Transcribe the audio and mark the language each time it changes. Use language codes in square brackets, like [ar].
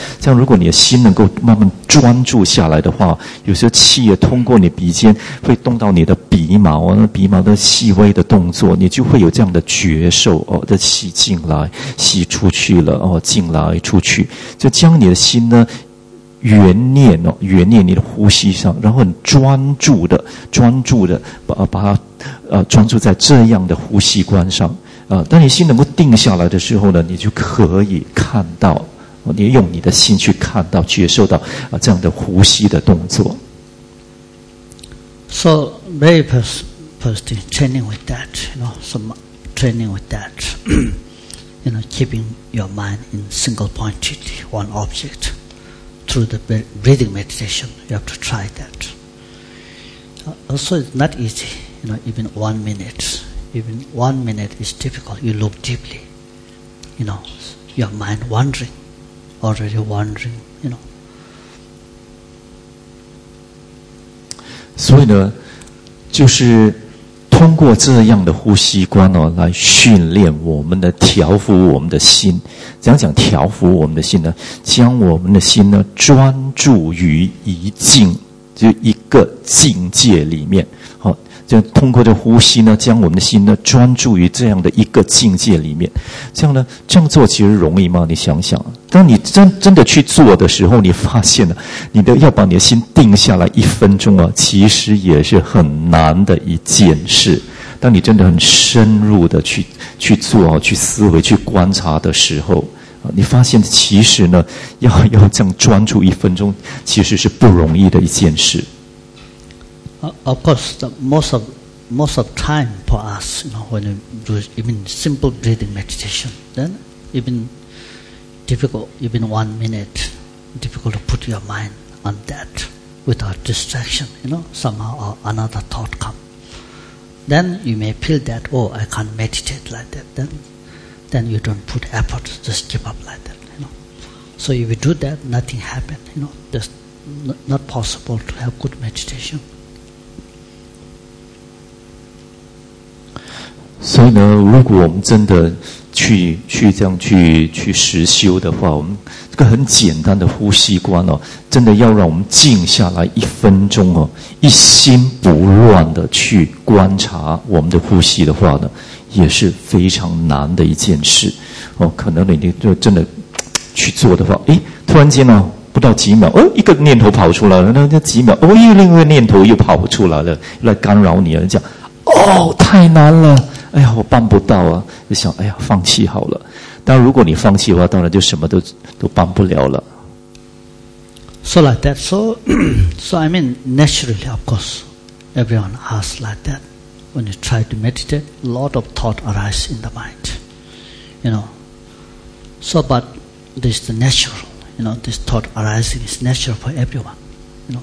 [zh] 这样如果你的心能够慢慢专注下来的话，有时候气也通过你鼻尖会动到你的鼻毛，那鼻毛的细微的动作，你就会有这样的觉受哦，这气进来吸出去了哦，进来出去，就将你的心呢原念哦，原念你的呼吸上，然后很专注的把它专注在这样的呼吸观上。当你心能够定下来的时候呢，你就可以看到，你用你的心去看到、接受到这样的呼吸的动作。 [en] So very first thing, training with that, you know, some training with that, you know, keeping your mind in single pointed one object through the breathing meditation. You have to try that. Also, it's not easy, you know, even 1 minute. Even 1 minute is difficult. You look deeply, you know, your mind wandering, already wandering, you know. [zh] 所以呢，就是通过这样的呼吸观哦，来训练我们的调伏我们的心。怎样讲调伏我们的心呢？将我们的心呢专注于一境，就一个境界里面。就通过这呼吸呢，将我们的心呢专注于这样的一个境界里面。这样呢，这样做其实容易吗？你想想，当你真的去做的时候，你发现了，你的要把你的心定下来一分钟啊，其实也是很难的一件事。当你真的很深入的去做啊，去思维、去观察的时候，你发现其实呢，要这样专注一分钟，其实是不容易的一件事。 [en] Of course, most of time for us, you know, when we do even simple breathing meditation, then even difficult, even 1 minute, difficult to put your mind on that without distraction, you know, somehow or another thought come. Then you may feel that, oh, I can't meditate like that. Then you don't put effort, just give up like that, you know. So if you do that, nothing happen, you know, just not possible to have good meditation. [zh] 所以呢，如果我们真的去这样去实修的话，我们这个很简单的呼吸观哦，真的要让我们静下来一分钟哦，一心不乱的去观察我们的呼吸的话呢，也是非常难的一件事哦。可能你就真的去做的话，诶，突然间呢、哦，不到几秒，哦，一个念头跑出来了，那几秒，哦，又另外一个念头又跑出来了，又来干扰你了，讲哦，太难了。哎呀，我办不到啊！就想，哎呀，放弃好了。但如果你放弃的话，当然就什么都帮不了了。 [en] So like that. So I mean, naturally, of course, everyone asks like that. When you try to meditate, a lot of thought arise in the mind. You know. So, but this is the natural. You know, this thought arising is natural for everyone. You know.